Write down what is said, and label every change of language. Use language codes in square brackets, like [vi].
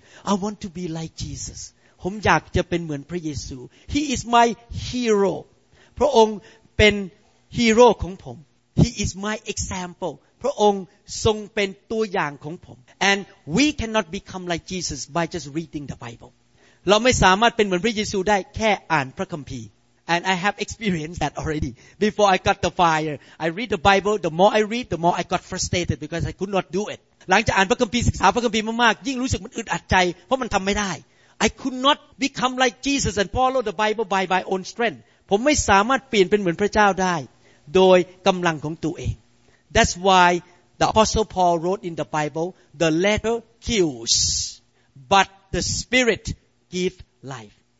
[en] I want to be like Jesus [th] ผมอยากจะเป็นเหมือนพระเยซู [en] He is my hero [th] พระองค์เป็นฮีโร่ของผม [en] He is my example [th] พระองค์ทรงเป็นตัวอย่างของผม [en] And we cannot become like Jesus by just reading the Bible [th] เราไม่สามารถเป็นเหมือนพระเยซูได้แค่อ่านพระคัมภีร์ [en] And I have experienced that already. Before I got the fire, I read the Bible. The more I read, the more I got frustrated because I could not do it. [th] หลังจากอ่านพระคัมภีร์ศึกษาพระคัมภีร์มากๆยิ่งรู้สึกมันอึดอัดใจเพราะมันทำไม่ได้ [en] I could not become like Jesus and follow the Bible by my own strength. [th] ผมไม่สามารถเปลี่ยนเป็นเหมือนพระเจ้าได้โดยกำลังของตัวเอง [en] That's why the Apostle Paul wrote in the Bible, the letter kills, but the Spirit gives life.